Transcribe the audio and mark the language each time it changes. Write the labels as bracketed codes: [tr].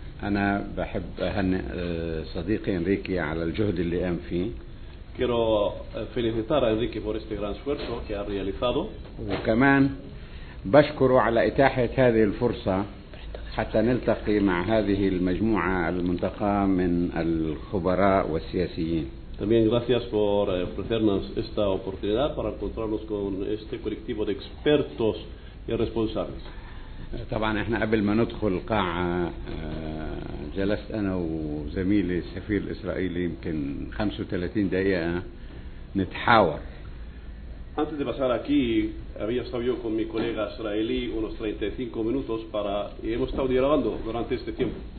[ar] أنا بحب أهني صديقي إنريكي على الجهد اللي قام فيه. [es] Quiero felicitar a Enrique por este gran esfuerzo que ha realizado. [ar] وكمان بشكره على إتاحة هذه الفرصة حتى نلتقي مع هذه المجموعة المنتقاة من الخبراء والسياسيين. [es] Te También gracias por ofrecernos esta oportunidad para encontrarnos con este colectivo de expertos y responsables. [ar] طبعا احنا قبل ما ندخل القاعة جلست انا وزميلي السفير الاسرائيلي يمكن 35 دقيقة نتحاور. [es] Antes de pasar aquí había estado yo con mi colega israelí unos 35 minutos para y hemos estado dialogando durante este tiempo.